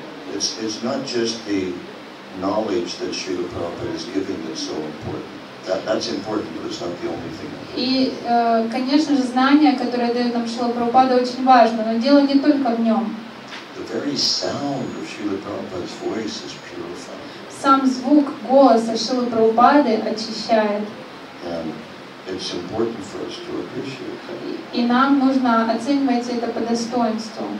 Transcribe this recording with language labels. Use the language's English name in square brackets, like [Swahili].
[English] It's not just the knowledge that Srila Prabhupada is giving that's so important. That's important, but it's not the only thing. [Russian] И, конечно же, знание, которое дает нам Шрила Прабхупада, очень важно, но дело не только в нем. [English] The very sound of Srila Prabhupada's voice is purifying. [Russian] Сам звук голоса Шрилы Прабхупады очищает. [English] It's important for us to appreciate that. [Russian] И нам нужно оценивать это по достоинству.